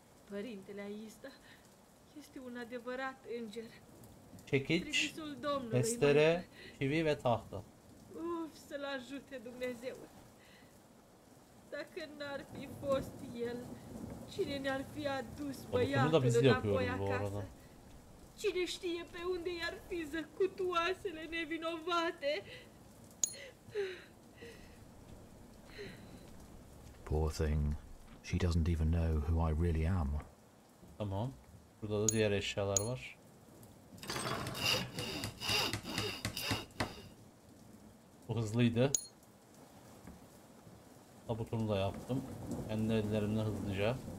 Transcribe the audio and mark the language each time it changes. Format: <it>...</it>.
<ro>Părintele Aista este un adevărat înger.</ro> <tr>Çekiç, testere, çivi ve tahta.</tr> <ro>Uf, să-l ajute Dumnezeu. Dacă n-ar fi fost el, cine ne-ar fi adus băiatul înapoi acasă? Cine știe pe unde i-ar fi zăcutoasele nevinovate?</ro> <en>Poor thing. She doesn't even know who I really am.</en> <tr>Tamam. Burada da diğer eşyalar var. Bu hızlıydı. Tabutunu da yaptım. Kendi ellerimle hızlıca.</tr>